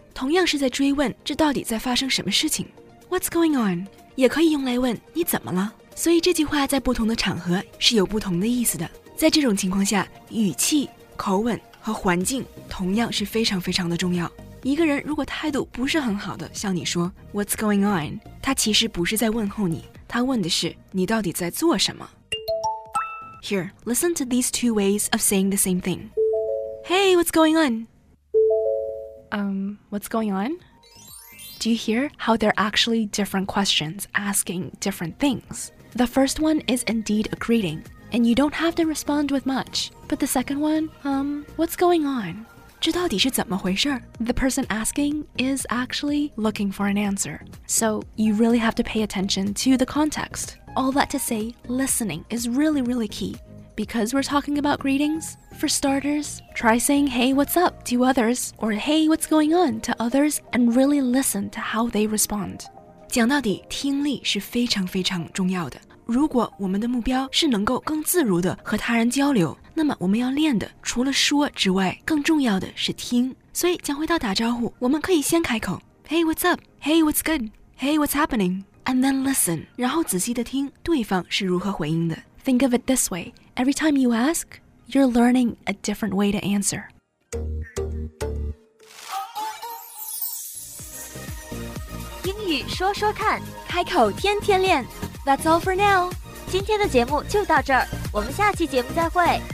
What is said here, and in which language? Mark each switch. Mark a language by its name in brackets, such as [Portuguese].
[Chinese] 同样是在追问这到底在发生什么事情 What's going on? 也可以用来问你怎么了所以这句话在不同的场合是有不同的意思的在这种情况下语气、口吻和环境同样是非常非常的重要一个人如果态度不是很好的向你说 What's going on? 他其实不是在问候你他问的是你到底在做什么 [English] Here, listen to these two ways of saying the same thing. Hey, what's going on? What's going on? Do you hear how they're actually different questions asking different things? The first one is indeed a greeting, and you don't have to respond with much. But the second one, what's going on? [Chinese] 这到底是怎么回事? [English] The person asking is actually looking for an answer. So you really have to pay attention to the context. All that to say, listening is really, really key. Because we're talking about greetings, for starters, try saying, hey, what's up to others, or hey, what's going on to others, and really listen to how they respond. [Chinese] 讲到底,听力是非常非常重要的。如果我们的目标是能够更自如地和他人交流，那么我们要练的除了说之外，更重要的是听。所以讲回到打招呼，我们可以先开口 Hey, what's up? [English] Hey, what's good? Hey, what's happening? And then listen, [Chinese] 然后仔细地听对方是如何回应的。 [English] Think of it this way. Every time you ask, you're learning a different way to answer. [Chinese] English, 说说看，开口天天练。 [English] That's all for now. [Chinese] 今天的节目就到这儿，我们下期节目再会。